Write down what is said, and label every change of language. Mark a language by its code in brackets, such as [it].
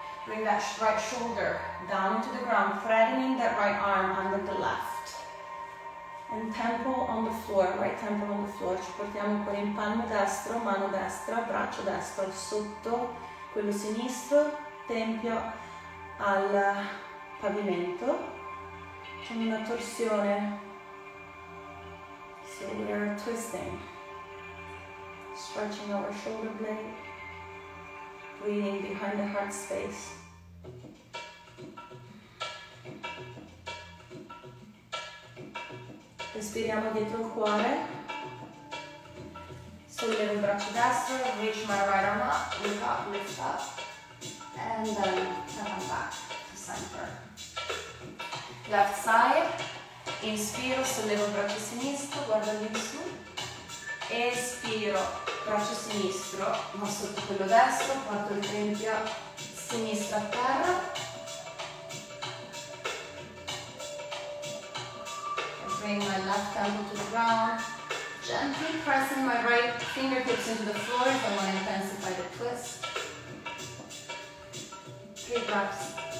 [en] Bring that right shoulder down to the ground, threading that right arm under the left. And temple on the floor, right temple on the floor. [it] Ci portiamo con il palmo destro, mano destra, braccio destro, sotto quello sinistro, tempio al pavimento. C'è una torsione. [en] So we are twisting, stretching our shoulder blade, breathing behind the heart space. [it] Respiriamo dietro il cuore. Sollevo il braccio destro, [en] reach my right arm up, look up, lift up, and then come back to center. Left side. [it] Inspiro, sollevo il braccio sinistro, guardo lì in su. Espiro, braccio sinistro, ma sotto quello destro, porto il tempio sinistro a terra. [en] I bring my left hand to the ground. Gently pressing my right fingertips into the floor if I want to intensify the twist. Three breaths.